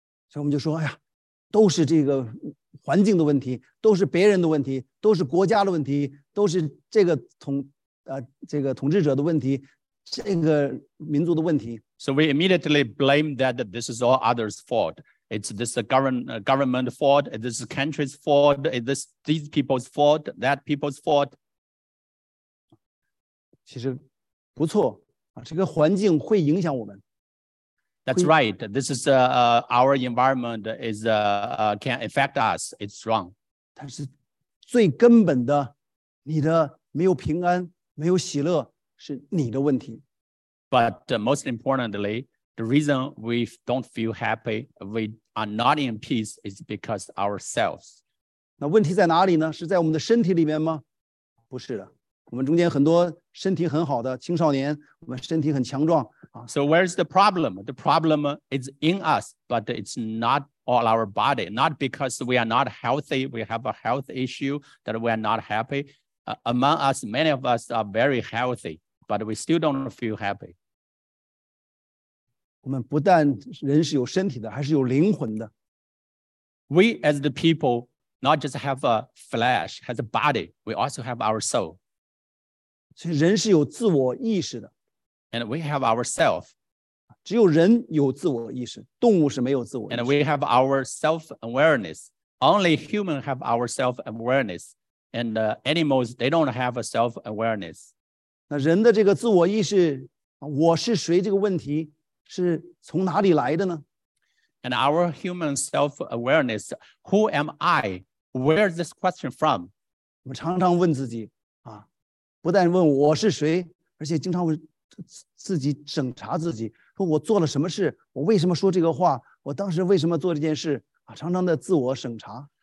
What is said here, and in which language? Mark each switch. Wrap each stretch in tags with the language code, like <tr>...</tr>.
<zh>所以我们就说，哎呀，都是这个环境的问题，都是别人的问题，都是国家的问题，都是这个统治者的问题，这个民族的问题。</zh> <en>So we immediately blame that this is all others' fault. It's this government fault, this country's fault, it's these people's fault, that people's fault.</en> <zh>其实不错、啊、这个环境会影响我们。</zh> <en>That's right. This is our environment is, can affect us. It's wrong.</en> <zh>但是最根本的，你的没有平安，没有喜乐，是你的问题。</zh> <en>But most importantly, the reason we don't feel happy, we are not in peace, is because ourselves.</en> <zh>那问题在哪里呢？是在我们的身体里面吗？不是的。我们中间很多身体很好的青少年，我们身体很强壮。</zh> <en>So where is the problem? The problem is in us, but it's not all our body. Not because we are not healthy, we have a health issue that we are not happy. Among us, many of us are very healthy. But we still don't feel happy.</en> <zh>我们不但人是有身体的，还是有灵魂的。</zh> <en>We as the people, not just have a flesh, has a body, we also have our soul.</en> <zh>人是有自我意识的。</zh> <en>And we have ourself.</en> <zh>只有人有自我意识, 动物是没有自我意识。</zh> <en>And we have our self-awareness. Only humans have our self-awareness. And animals, they don't have a self-awareness.</en> <zh>那人的这个自我意识, 我是谁这个问题, 是从哪里来的呢?</zh> <en>And our human self-awareness, who am I? Where is this question from?</en> <zh>我常常问自己, 啊, 不但问我是谁, 而且经常自己审查自己, 说我做了什么事, 我为什么说这个话, 我当时为什么做这件事, 啊, 常常的自我审查。</zh>